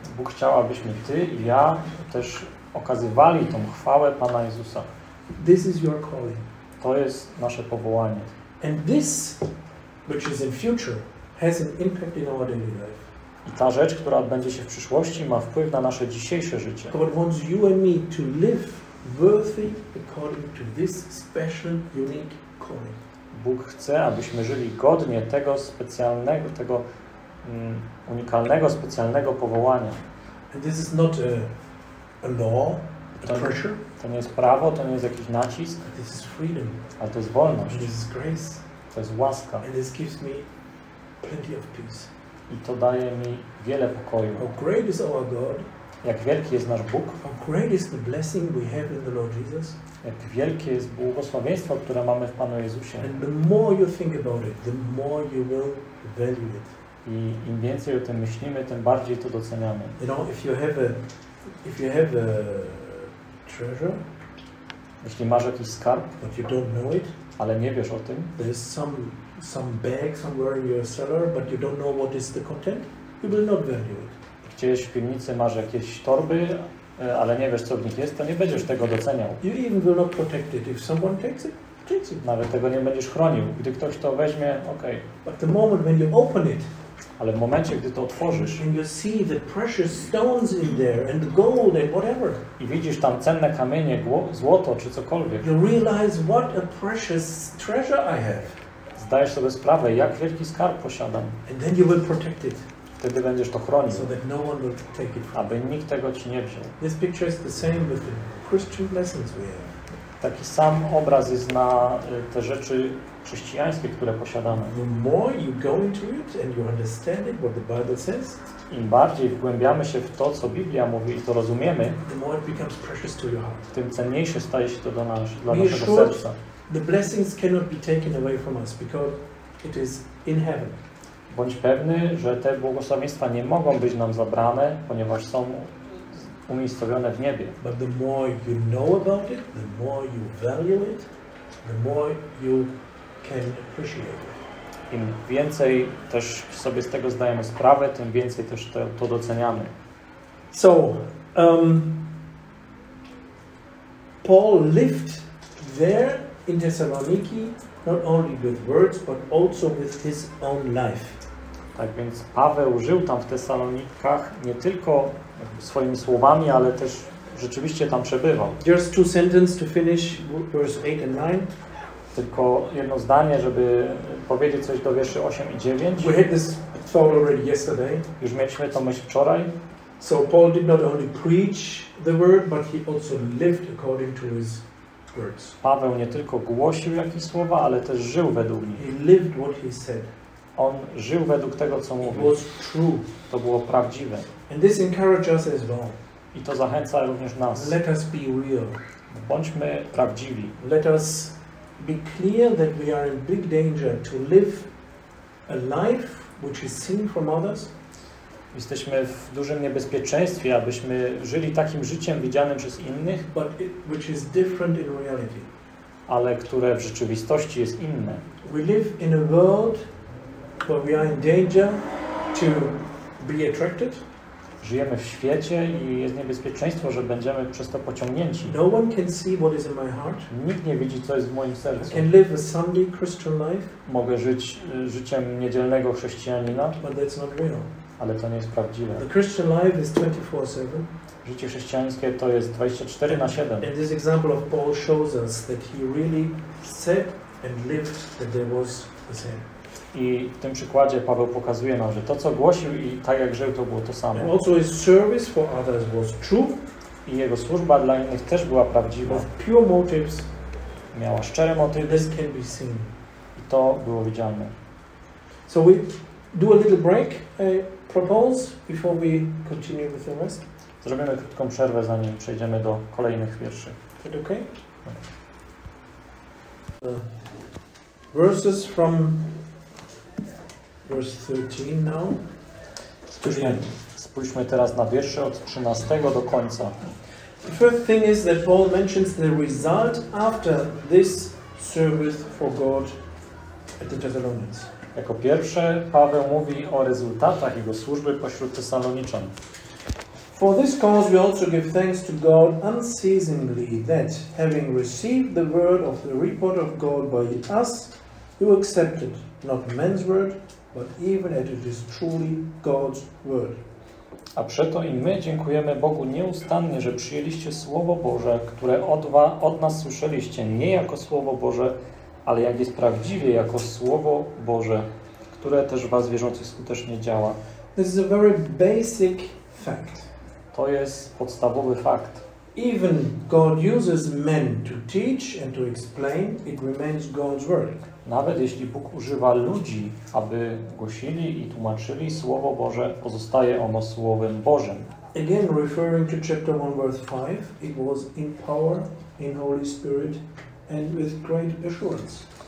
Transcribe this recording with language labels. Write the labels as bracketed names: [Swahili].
[Polish] Bóg chciał, abyśmy ty i ja też okazywali tą chwałę Pana Jezusa. [English] This is your calling. [Polish] To jest nasze powołanie. [English] And this, which is in future, has an impact in our daily life. [Polish] I ta rzecz, która odbędzie się w przyszłości, ma wpływ na nasze dzisiejsze życie. [English] God wants you and me to live worthy according to this special, unique calling. [Polish] Bóg chce, abyśmy żyli godnie tego specjalnego, tego unikalnego, specjalnego powołania. [English] And this is not a law, a pressure. [Polish] To nie jest prawo, to nie jest jakiś nacisk. [English] And this is freedom. [Polish] Ale to jest wolność. [English] And this is grace. [Polish] To jest łaska. [English] And this gives me plenty of peace. [Polish] I to daje mi wiele pokoju. [English] How great is our God. [Polish] Jak wielki jest nasz Bóg. [English] How great is the blessing we have in the Lord Jesus. [Polish] Jak wielkie jest błogosławieństwo, które mamy w Panu Jezusie. [English] And the more you think about it, the more you will value it. [Polish] I im więcej o tym myślimy, tym bardziej to doceniamy. [English] You know, if you have a treasure, [Polish] jeśli masz jakiś skarb, [English] but you don't know it, [Polish] ale nie wiesz o tym, [English] there's some bag somewhere in your cellar, but you don't know what is the content, you will not value it. [Polish] Gdzieś w piwnicy masz jakieś torby, ale nie wiesz, co w nich jest, to nie będziesz tego doceniał. [English] You even will not protect it. If someone takes it, takes it. [Polish] Nawet tego nie będziesz chronił. Gdy ktoś to weźmie, okej. [English] But the moment when you open it, [Polish] Ale w momencie, gdy to otworzysz, [English] and you see the precious stones in there and gold and whatever, [Polish] i widzisz tam cenne kamienie, złoto czy cokolwiek, [English] you realize what a precious treasure I have. [Polish] Zdajesz sobie sprawę, jak wielki skarb posiadam. [English] And then you will protect it. [Polish] Wtedy będziesz to chronił, [English] so that no one will take it from. [Polish] Aby nikt tego ci nie wziął. [English] This picture is the same with the Christian blessings we have. [Polish] Taki sam obraz jest na te rzeczy chrześcijańskie, które posiadamy. [English] The more you go into it and you understand it, what the Bible says, [Polish] im bardziej wgłębiamy się w to, co Biblia mówi i to rozumiemy, [English] the more it becomes precious to your heart. [Polish] Tym cenniejsze staje się to do naszego serca. [English] The blessings cannot be taken away from us because it is in heaven. [Polish] Bądź pewny, że te błogosławieństwa nie mogą być nam zabrane, ponieważ są umiejscowione w niebie. [English] But the more you know about it, the more you value it, the more you can appreciate it. [Polish] Im więcej też sobie z tego zdajemy sprawę, tym więcej też to doceniamy. [English] So, Paul lived there in Thessaloniki not only with words, but also with his own life. [Polish] Tak więc Paweł żył tam w Tesalonikach nie tylko swoimi słowami, ale też rzeczywiście tam przebywał. [English] Just two sentences to finish verse 8 and 9. [Polish] Tylko jedno zdanie, żeby powiedzieć coś do wierszy 8 i 9. [English] We had this thought already yesterday. [Polish] Już mieliśmy tą myśl wczoraj. [English] So Paul did not only preach the word, but he also lived according to his words. [Polish] Paweł nie tylko głosił jakieś słowa, ale też żył według nich. [English] He lived what he said. [Polish] On żył według tego, co mówił. [English] It was true. [Polish] To było prawdziwe. [English] And this encourages us as well. [Polish] I to zachęca również nas. [English] Let us be real. [Polish] Bądźmy prawdziwi. [English] Let us be clear that we are in big danger to live a life which is seen from others. [Polish] Jesteśmy w dużym niebezpieczeństwie, abyśmy żyli takim życiem widzianym przez innych, [English] but which is different in reality. [Polish] Ale które w rzeczywistości jest inne. [English] We live in a world where we are in danger to be attracted. [Polish] Żyjemy w świecie i jest niebezpieczeństwo, że będziemy przez to pociągnięci. [English] No one can see what is in my heart. [Polish] Nikt nie widzi, co jest w moim sercu. [English] I can live a Sunday Christian life. [Polish] Mogę żyć życiem niedzielnego chrześcijanina, [English] but that's not real. [Polish] Ale to nie jest prawdziwe. [English] The Christian life is 24/7. [Polish] Życie chrześcijańskie to jest 24/7. [English] And this example of Paul shows us that he really said and lived that there was the same. [Polish] I w tym przykładzie Paweł pokazuje nam, że to, co głosił i tak jak żył, to było to samo. [English] And also his service for others was true. [Polish] I jego służba dla innych też była prawdziwa. [English] With pure motives. [Polish] Miała szczere motywy. [English] This can be seen. [Polish] I to było widzialne. [English] So we do a little break, I propose, before we continue with the rest. [Polish] Zrobimy krótką przerwę, zanim przejdziemy do kolejnych wierszy. [English] Is it okay? Verses from verse 13 now. [Polish] Spójrzmy teraz na wiersze od 13 do końca. [English] The first thing is that Paul mentions the result after this service for God at the Thessalonians. [Polish] Jako pierwsze Paweł mówi o rezultatach jego służby pośród Tesaloniczan. [English] For this cause we also give thanks to God unceasingly that having received the word of the report of God by us, you accepted not man's word, but even as it is truly God's word. [Polish] A przeto i my dziękujemy Bogu nieustannie, że przyjęliście słowo Boże, które od nas słyszeliście, nie jako słowo Boże, ale jak jest prawdziwie, jako słowo Boże, które też was wierzących skutecznie działa. [English] This is a very basic fact. [Polish] To jest podstawowy fakt. [English] Even God uses men to teach and to explain, it remains God's word. [Polish] Nawet jeśli Bóg używa ludzi, aby głosili i tłumaczyli słowo Boże, pozostaje ono słowem Bożym. [English] Again referring to chapter 1 verse 5, it was in power in Holy Spirit and with great assurance.